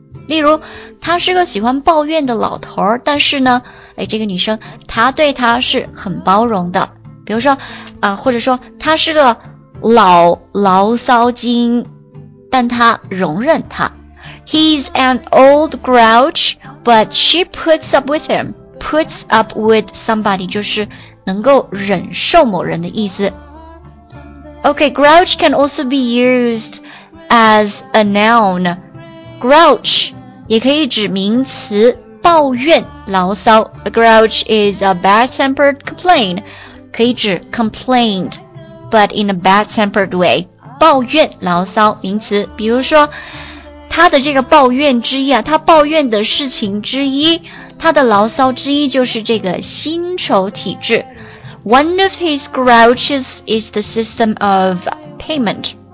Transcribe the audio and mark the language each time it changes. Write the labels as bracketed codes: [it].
[zh] 例如他是个喜欢抱怨的老头，但是呢、这个女生他对他是很包容的，比如说、或者说他是个老牢骚精，但他容忍他。 [en] He's an old grouch but she puts up with him. Puts up with somebody [zh] 就是能够忍受某人的意思。 [en] OK, grouch can also be used as a noun. [zh] Grouch也可以指名词，抱怨、牢骚。 [en] A grouch is a bad-tempered complaint， [zh] 可以指 [en] complained， but in a bad-tempered way， [zh] 抱怨、牢骚，名词。比如说，他的这个抱怨之一啊，他抱怨的事情之一，他的牢骚之一就是这个薪酬体制。 [en] One of his grouches is the system of payment.